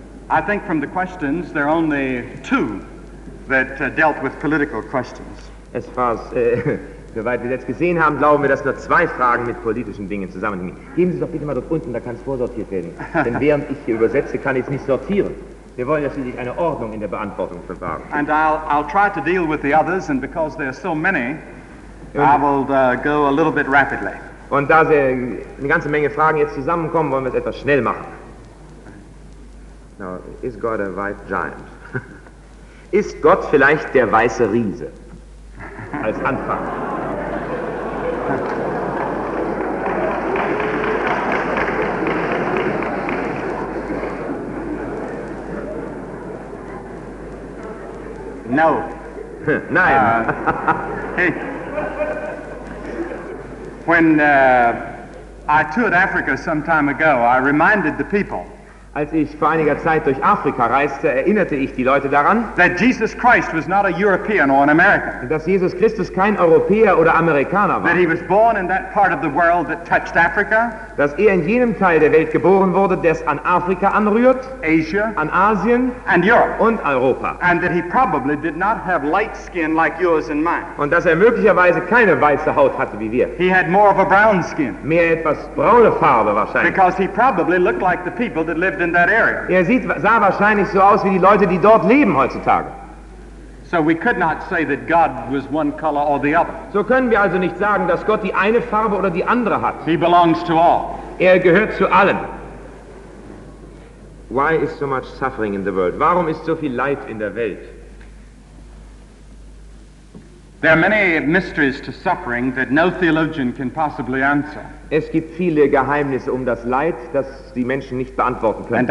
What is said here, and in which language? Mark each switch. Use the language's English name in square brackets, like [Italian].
[English] I think from the questions there are only two that dealt with political questions. As far as [German] soweit wir jetzt gesehen haben, glauben wir, dass nur 2 Fragen mit politischen Dingen zusammenhängen. Geben Sie es doch bitte mal dort unten, da kann es vorsortiert werden. Denn während ich hier übersetze, kann ich es nicht sortieren. Wir wollen ja schließlich eine Ordnung in der Beantwortung für Fragen. [English] And I'll try to deal with the others, and because there are so many, I will go a little bit rapidly. [German] Und da eine ganze Menge Fragen jetzt zusammenkommen, wollen wir es etwas schnell machen. [English] Now, is God a white giant? [German] Ist Gott vielleicht der weiße Riese? Als Anfang. [English] No. [German] Nein. Hey. [English] When I toured Africa some time ago, I reminded the people. [German] Als ich vor einiger Zeit durch Afrika reiste, erinnerte ich die Leute daran, [English] that Jesus Christ was not a European or an American. [German] Dass Jesus Christus kein Europäer oder Amerikaner war. [English] That he was born in that part of the world that touched Africa. [German] Dass in jenem Teil der Welt geboren wurde, das an Afrika anrührt, [English] Asia, [German] an Asien [English] and Europe. [German] Und Europa. [English] And that he probably did not have light skin like yours and mine. [German] Und dass möglicherweise keine weiße Haut hatte wie wir. [English] He had more of a brown skin. [German] Mehr etwas braune Farbe wahrscheinlich. [English] Because he probably looked like the people that lived in that area. [German] Sah wahrscheinlich so aus wie die Leute, die dort leben heutzutage. [English] So we could not say that God was one color or the other. [German] So können wir also nicht sagen, dass Gott die eine Farbe oder die andere hat. [English] He belongs to all. [German] Er gehört zu allen. [English] Why is so much suffering in the world? [German] Warum ist so viel Leid in der Welt? [English] There are many mysteries to suffering that no theologian can possibly answer. [German] Es gibt viele Geheimnisse um das Leid, das die Menschen nicht beantworten können.